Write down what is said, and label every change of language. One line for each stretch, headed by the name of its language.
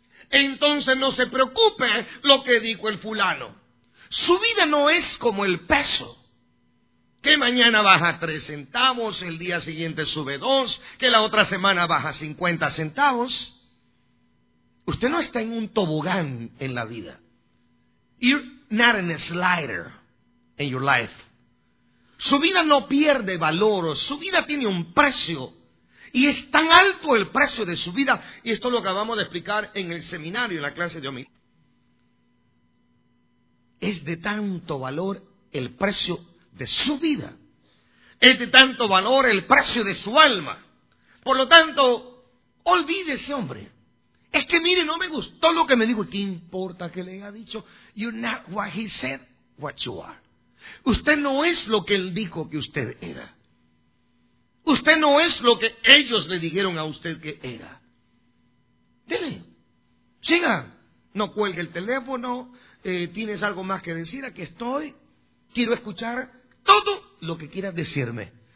Spanish: Entonces no se preocupe lo que dijo el fulano. Su vida no es como el peso, que mañana baja 3 centavos, el día siguiente sube 2, que la otra semana baja 50 centavos. Usted no está en un tobogán en la vida.
English: You're not in a slider in your life.
Spanish: Su vida no pierde valor, su vida tiene un precio. Y es tan alto el precio de su vida, y esto lo acabamos de explicar en el seminario, en la clase de homilía. Es de tanto valor el precio de su vida. Es de tanto valor el precio de su alma. Por lo tanto, olvide ese hombre. Es que mire, no me gustó lo que me dijo. ¿Qué importa que le haya dicho?
English: You're not what he said, what you are.
Spanish: Usted no es lo que él dijo que usted era. Usted no es lo que ellos le dijeron a usted que era. Dele, siga. No cuelgue el teléfono. ¿Tienes algo más que decir? Aquí estoy. Quiero escuchar todo lo que quieras decirme.